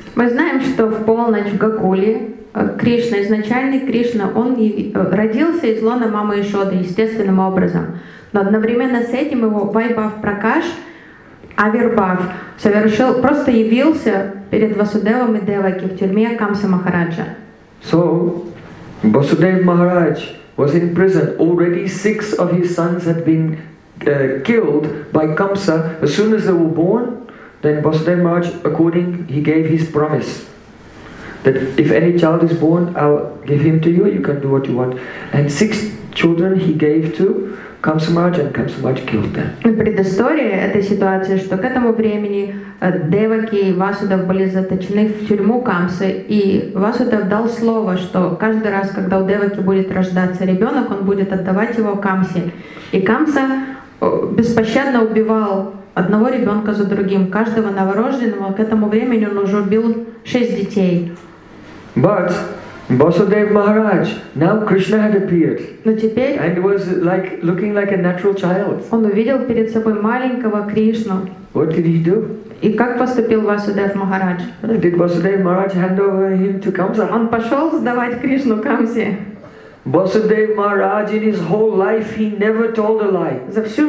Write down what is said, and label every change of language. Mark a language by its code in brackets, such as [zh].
[ru] Мы знаем, что в полночь в Гокуле Кришна, изначальный Кришна, он родился из лона мамы Ишоды естественным образом. Но одновременно с этим его Вайбав Пракаш, Авирбав, совершил, просто явился перед Васудевом и Деваки в тюрьме Камса Махараджа. [en] So, Vasudev Maharaj was in prison. Already six of his sons had been killed by Kamsa. As soon as they were born, then Vasudev Maharaj, according, he gave his promise that if any child is born, I'll give him to you, you can do what you want. And six children he gave to Kamsa Maharaj, and Kamsa Maharaj killed them. [ru] Предыстория этой ситуации, что к этому времени Деваки и Васудев были заточены в тюрьму Камсы, и Васудев дал слово, что каждый раз, когда у Деваки будет рождаться ребенок, он будет отдавать его Камсе. И Камса беспощадно убивал одного ребенка за другим, каждого новорожденного. К этому времени он уже убил 6 детей. [en] But Vasudev Maharaj, now Krishna had appeared. [ru] Но теперь [en] and was like looking like a natural child. [ru] Он увидел перед собой маленького Кришну. [en] What did he do? [ru] И как поступил Васудев Махарадж? [en] Did Vasudev Maharaj hand over him to Kamsa? [ru] Он пошел сдавать Кришну Камсе. [en] Vasudev Maharaj, in his whole life, he never told a lie. [ru] За всю